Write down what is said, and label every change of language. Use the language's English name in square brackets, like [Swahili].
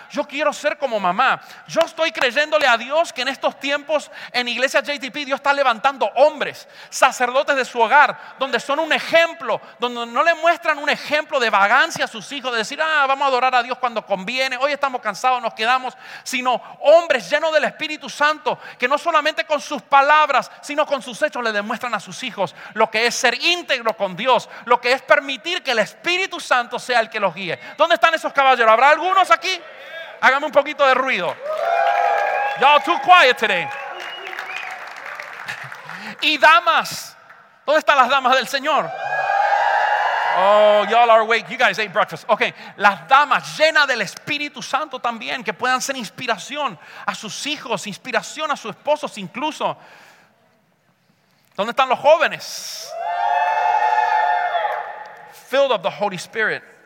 [Spanish] Yo quiero ser como mamá. Yo estoy creyéndole a Dios que en estos tiempos en Iglesia JTP Dios está levantando hombres, sacerdotes de su hogar, donde son un ejemplo, donde no le muestran un ejemplo de vagancia a sus hijos, de decir, ah, vamos a adorar a Dios cuando conviene, hoy estamos cansados, nos quedamos, sino hombres llenos del Espíritu Santo, que no solamente con sus palabras, sino con sus hechos le demuestran a sus hijos lo que es ser íntegro con Dios, lo que es permitir que el Espíritu Santo sea el que los guíe. ¿Dónde están esos caballeros? ¿Habrá algunos aquí? Háganme un poquito de ruido. [English] Y'all too quiet today. [Spanish] Y damas, ¿dónde están las damas del Señor? [English] Oh, y'all are awake. You guys ate breakfast. [Spanish] Ok, las damas llenas del Espíritu Santo también, que puedan ser inspiración a sus hijos, inspiración a sus esposos incluso. ¿Dónde están los jóvenes? [English] Filled of the Holy Spirit.